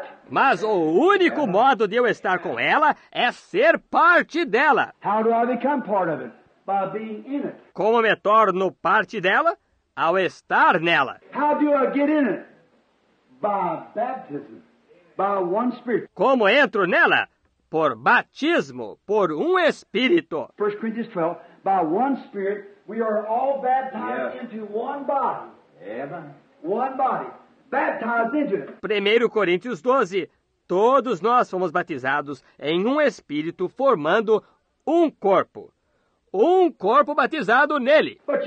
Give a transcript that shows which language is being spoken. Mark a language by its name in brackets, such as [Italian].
[Portuguese] Mas o único modo de eu estar com ela é ser parte dela. [English] How do I become part of it? By being in it. [Portuguese] Como me torno parte dela? Ao estar nela. [English] How do I get in it? By baptism. By one spirit. [Portuguese] Como entro nela? Por batismo, por Espírito. [English] 1 Coríntios 12, by one spirit, we are all baptized into one body. One body. Baptized into it. [Portuguese] 1 Coríntios 12, todos nós fomos batizados em Espírito, formando corpo. Corpo batizado nele.